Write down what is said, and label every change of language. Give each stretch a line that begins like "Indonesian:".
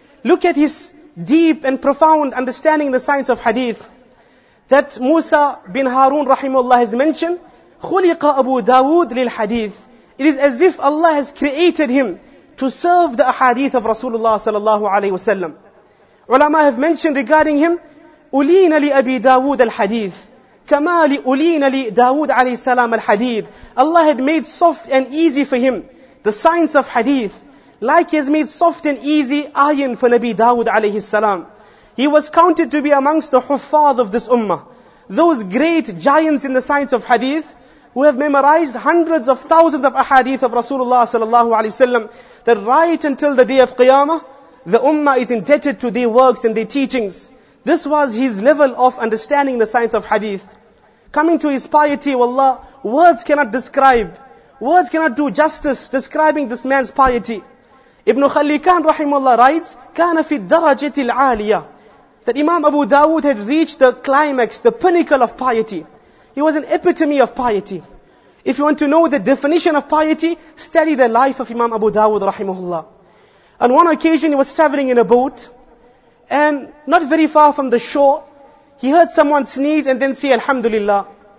English: Look at his deep and profound understanding in the science of hadith. That Musa bin Harun rahimahullah has mentioned,
Arabic: خُلِقَ أَبُو دَاوُودِ لِلْحَدِيثِ.
English: It is as if Allah has created him to serve the ahadith of Rasulullah sallallahu alaihi wasallam. Ulama have mentioned regarding him,
Arabic: أُلِينَ لِأَبِي دَاوُودَ الْحَدِيثِ كَمَا لِأُلِينَ لِدَاوُودَ عَلَيْهِ السَّلَامَ الْحَدِيثِ.
English: Allah had made soft and easy for him the science of hadith, like he has made soft and easy iron for Nabi Dawood alayhi salam. He was counted to be amongst the huffaz of this ummah, those great giants in the science of hadith, who have memorized hundreds of thousands of ahadith of Rasulullah sallallahu alayhi wasallam, that right until the day of Qiyamah, the ummah is indebted to their works and their teachings. This was his level of understanding the science of hadith. Coming to his piety, wallah, words cannot describe. Words cannot do justice describing this man's piety. Ibn Khalikan rahimullah writes,
Arabic: كَانَ فِي الدَّرَجَةِ الْعَالِيَةِ.
English: That Imam Abu Dawood had reached the climax, the pinnacle of piety. He was an epitome of piety. If you want to know the definition of piety, study the life of Imam Abu Dawood rahimahullah. On one occasion, he was traveling in a boat, and not very far from the shore, he heard someone sneeze and then say, Alhamdulillah.